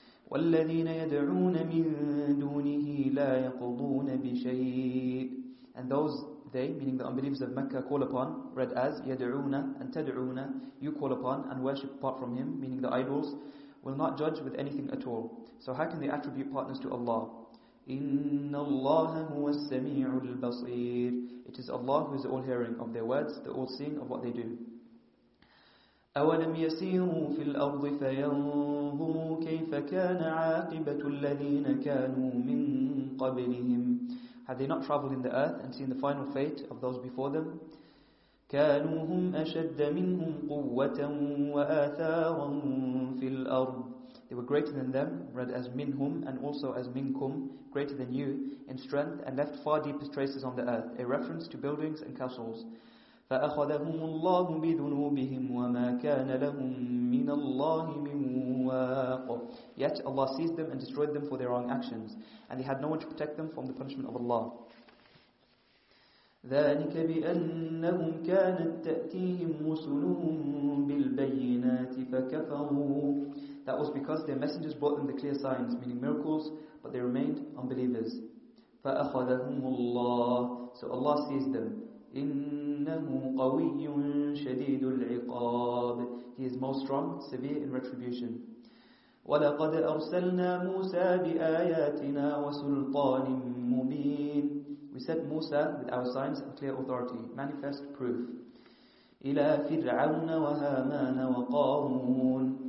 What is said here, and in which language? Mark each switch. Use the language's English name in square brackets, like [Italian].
[Arabic] والذين يدعون من دونه لا يقضون بشيء. [English] And those they, meaning the unbelievers of Mecca, call upon, read as يَدْعُونَ and تَدْعُونَ, you call upon and worship apart from him, meaning the idols, will not judge with anything at all. So how can they attribute partners to Allah? [Arabic] إِنَّ اللَّهَ هُوَ السَّمِيعُ الْبَصِيرُ. [English] It is Allah who is the all-hearing of their words, the all-seeing of what they do. [Arabic] أَوَلَمْ يَسِيرُوا فِي الْأَرْضِ فَيَنْظُرُوا كَيْفَ كَانَ عَاقِبَةُ الَّذِينَ كَانُوا مِنْ قَبْلِهِمْ. [English] Had they not travelled in the earth and seen the final fate of those before them? [Arabic] كانوا هم أشد منهم قوة وآثارا في الأرض. [English] They were greater than them, read as منهم and also as منكم, greater than you, in strength, and left far deeper traces on the earth, a reference to buildings and castles. [Arabic] فأخذهم الله بذنوبهم وما كان لهم من الله من واق. [English] Yet Allah seized them and destroyed them for their wrong actions, and they had no one to protect them from the punishment of Allah. [Arabic] ذلك بأنهم كانت تأتيهم رسلهم بالبينات فكفروا. [English] That was because their messengers brought them the clear signs, meaning miracles, but they remained unbelievers. [Arabic] فأخذهم الله. [English] So Allah seized them. [Arabic] إنه قوي شديد العقاب. [English] He is most strong, severe in retribution. [Arabic] ولقد أرسلنا موسى بآياتنا وسلطان مبين. [English] We sent Musa with our signs and clear authority, manifest proof. [Arabic] إلى فرعون وهامان وقارون.